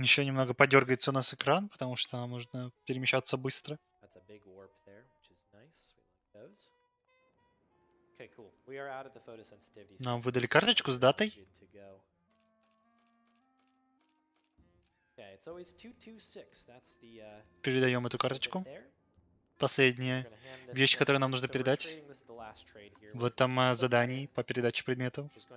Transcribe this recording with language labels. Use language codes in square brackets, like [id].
[ru] Еще немного подергается у нас экран, потому что нам нужно перемещаться быстро. [en] That's a big warp there, which is nice. We like those. Okay, cool. We are out of the photosensitivity. [ru] Нам выдали карточку с датой. [en] Okay, it's always 226. That's the. [ru] Передаем эту карточку. Последняя вещь, которую нам нужно передать в этом задании по передаче предметов.